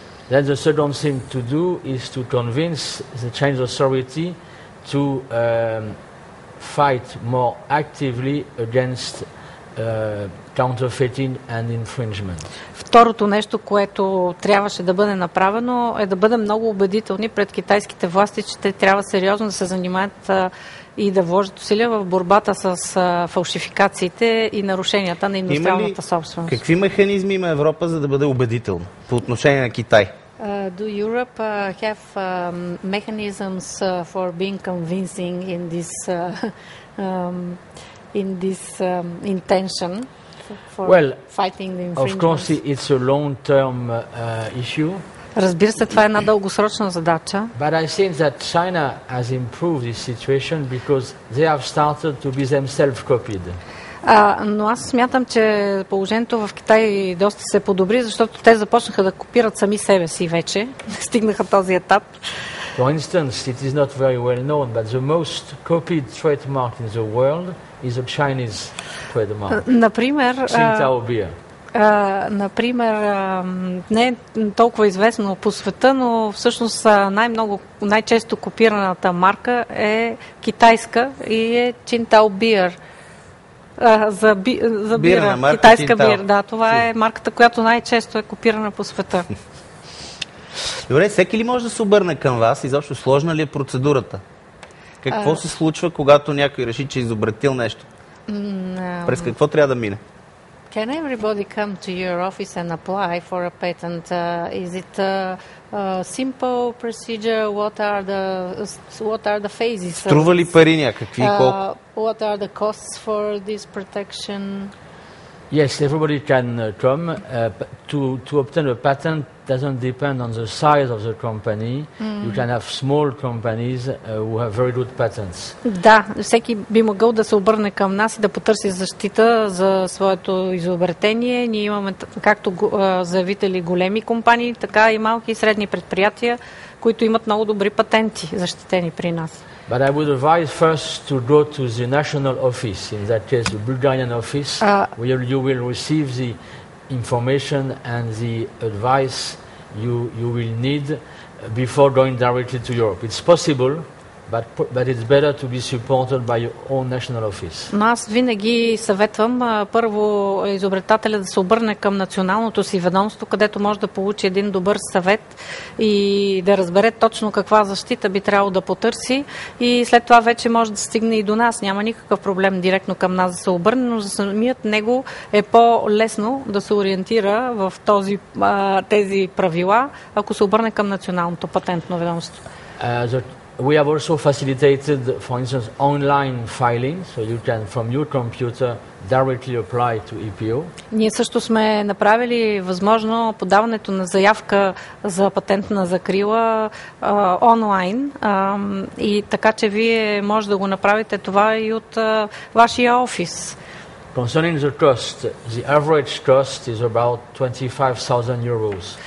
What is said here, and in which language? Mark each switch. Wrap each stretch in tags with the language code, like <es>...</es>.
<en>Then the second thing to do is to convince the Chinese authority to fight more actively against counterfeiting and infringement.</en> <bg>Второто нещо, което трябваше да бъде направено, е да бъдем много убедителни пред китайските власти, че те трябва сериозно да се занимават и да вложат усилия в борбата с фалшификациите и нарушенията на индустриалната собственост. Какви механизми има Европа, за да бъде убедителна по отношение на Китай?</bg> <en>Do Europe have mechanisms for being convincing in this intention for fighting the infringement? Of course, it's a long-term issue.</en> <bg>Разбира се, това е една дългосрочна задача.</bg> <en>But I think that China has improved this situation because they have started to be themselves copied.</en> <bg>Но аз смятам, че положението в Китай доста се подобри, защото те започнаха да копират сами себе си вече, стигнаха този етап.</bg> <en>For instance, it is not very well known, but the most copied trademark in the world is a Chinese trademark.</en> <bg>Например,</bg> <en>Tsingtao beer.</en> <bg>Например, не е толкова известно по света, но всъщност най-много, най-често копираната марка е китайска и е Tsingtao beer. За бира, марка, китайска бира. Да, това е марката, която най-често е копирана по света. Добре, всеки ли може да се обърне към вас? Изобщо сложна ли е процедурата? Какво се случва, когато някой реши, че изобретил нещо? През какво трябва да мине?</bg> <en>Can everybody come to your office and apply for a patent? Is it a simple procedure? What are the phases?</en> <bg>Струва ли пари някакви? Колко?</bg> <en>What are the costs for this protection? Yes, everybody can come. To obtain a patent doesn't depend on the size of the company. You can have small companies who have very good patents.</en> <bg>Да, всеки би могъл да се обърне към нас и да потърси защита за своето изобретение. Ние имаме както заявители големи компании, така и малки и средни предприятия, които имат много добри патенти, защитени при нас.</bg> <en>But I would advise first to go to the national office, in that case the Bulgarian office, where you will receive the information and the advice you will need before going directly to Europe. It's possible, but it's better to be supported by your own national office.</en> <bg>Но аз винаги съветвам първо изобретателя да се обърне към националното си ведомство, където може да получи един добър съвет и да разбере точно каква защита би трябвало да потърси, и след това вече може да стигне и до нас. Няма никакъв проблем директно към нас да се обърне, но за самият него е по-лесно да се ориентира в тези правила, ако се обърне към националното патентно ведомство.</bg> <en>We have also facilitated, for instance, online filing, so you can from your computer directly apply to EPO.</en> <bg>Ние също сме направили възможно подаването на заявка за патентна закрила онлайн, и така че вие може да го направите това и от вашия офис.</bg> <en>Concerning the cost, the average cost is about 25,000 euros.</en>